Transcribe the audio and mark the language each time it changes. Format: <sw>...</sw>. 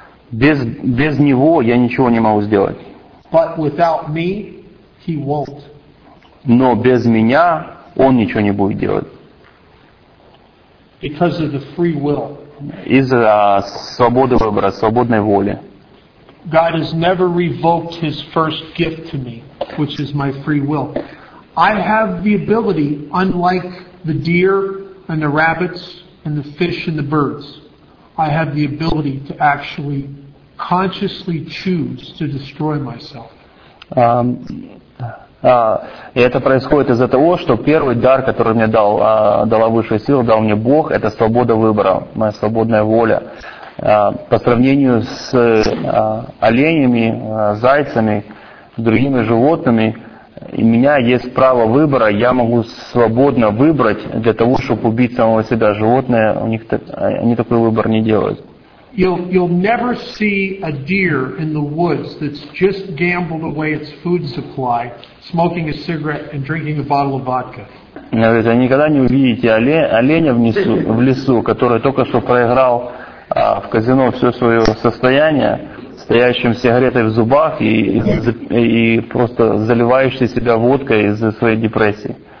<ru>Без него я ничего не могу сделать.</ru> <en>But without me, he won't.</en> <ru>Но без меня он ничего не будет делать.</ru> <en>Because of the free will.</en> <ru>Из-за свободы выбора, свободной воли.</ru> <en>God has never revoked his first gift to me, which is my free will. I have the ability, unlike the deer and the rabbits and the fish and the birds, I have the ability to actually consciously choose to destroy myself.</en> <ru>И это происходит из-за того, что первый дар, который мне дала высшая сила, дал мне Бог, это свобода выбора, моя свободная воля. По сравнению с оленями, зайцами, другими животными, и у меня есть право выбора, я могу свободно выбрать для того, чтобы убить самого себя. Животные, они такой выбор не делают.</ru> <en>You'll never see a deer in the woods that's just gambled away its food supply, smoking a cigarette and drinking a bottle of vodka.</en> <ru>Вы никогда не увидите оленя в лесу, который только что проиграл в казино все свое состояние, стоящим с сигаретой в зубах и просто заливающий себя водкой из-за своей депрессии.</ru>